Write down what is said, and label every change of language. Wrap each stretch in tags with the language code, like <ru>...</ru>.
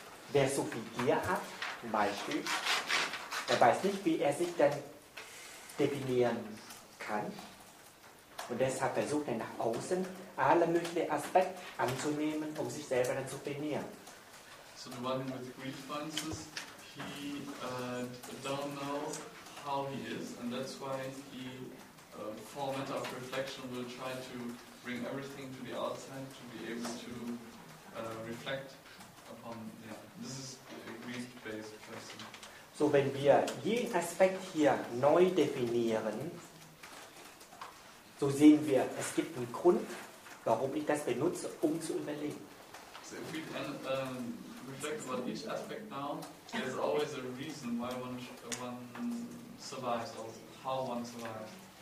<de>Wer so viel Gier hat, zum Beispiel, der weiß nicht, wie er sich denn definieren kann. Und deshalb versucht er nach außen alle möglichen Aspekte anzunehmen, um sich selber dann zu definieren.</de> <en>So the one with greed finances, he don't know how he is, and that's why he format of reflection will try to bring everything to the outside to be able to reflect upon. Yeah, this is a greed-based person.</en> <de>So, wenn wir jeden Aspekt hier neu definieren, so sehen wir, es gibt einen Grund, warum ich das benutze, um zu überleben.</de> <en>So, if we can reflect about each aspect now, there's always a reason why one survives or how one survives.</en>